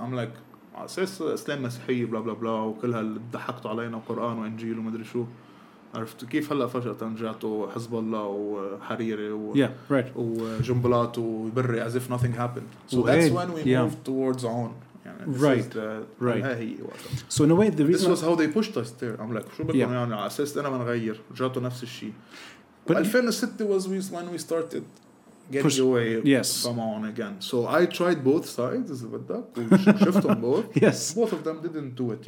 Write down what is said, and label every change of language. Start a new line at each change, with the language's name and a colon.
Arabic: I'm like أساس إسلام مسيحي بلا بلا بلا وكل هالضحكتوا علينا قرآن وإنجيل ومدري شو عرفت كيف هلأ فجأة جاتوا حزب الله وحريري و
English: yeah, right. وجنبلات وبري as if nothing happened. So that's when we moved towards on Right. Right. So in a way, the reason this was how they pushed us there.
Arabic: I'm like, شو بدكم يعني على أساس أنا بنغير جاتوا نفس الشيء.
English: But 2006 was when we started getting away. Yes. Come on again. So I tried both sides.
Arabic: إذا بدك.
English: Shift on both. Yes. Both of them didn't do it.